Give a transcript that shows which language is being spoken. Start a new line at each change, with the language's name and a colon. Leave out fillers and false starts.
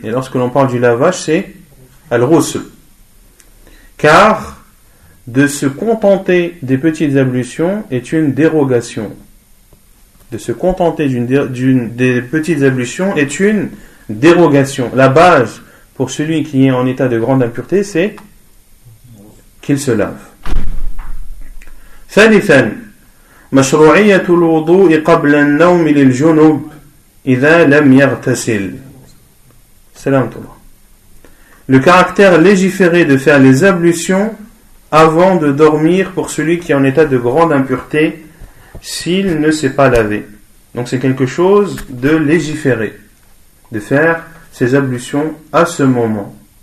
French: Et lorsque l'on parle du lavage, c'est al-ghusl. Car de se contenter des petites ablutions est une dérogation. De se contenter des petites ablutions est une dérogation. La base pour celui qui est en état de grande impureté, c'est qu'il se lave.
Arabic: ثالثا مشروعية الوضوء قبل النوم للجنوب إذا لم يغتسل. سلام الله.
French: Le caractère légiféré de faire les ablutions avant de dormir pour celui qui est en état de grande impureté s'il ne s'est pas lavé. Donc c'est quelque chose de légiféré. De faire ses ablutions à ce moment.